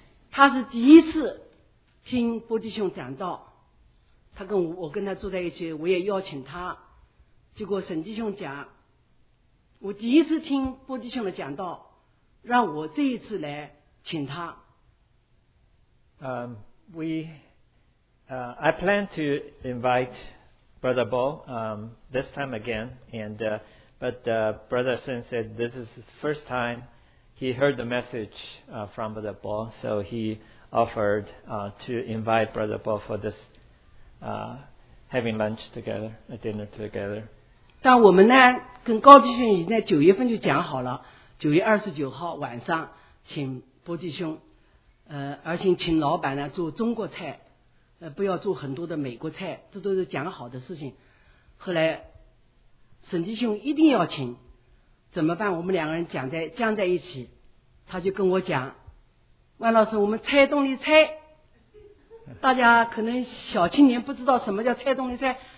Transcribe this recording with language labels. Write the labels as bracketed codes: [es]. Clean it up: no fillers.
[zh] 他是第一次听波弟兄讲道，他跟 我跟他坐在一起，我也邀请他，结果沈弟兄讲，我第一次听波弟兄的讲道，让我这一次来请他。 [en] We I plan to invite Brother Bo this time again, but Brother Sun said this is the first time he heard the message from Brother Bo, so he offered to invite Brother Bo for this having lunch together, a dinner together. [zh] 但我们呢，跟高弟兄已经在九月份就讲好了，九月二十九号晚上请波弟兄，而且请老板呢做中国菜，不要做很多的美国菜，这都是讲好的事情。后来沈弟兄一定要请，怎么办？我们两个人僵在一起，他就跟我讲，万老师，我们菜洞里菜，大家可能小青年不知道什么叫菜洞里菜。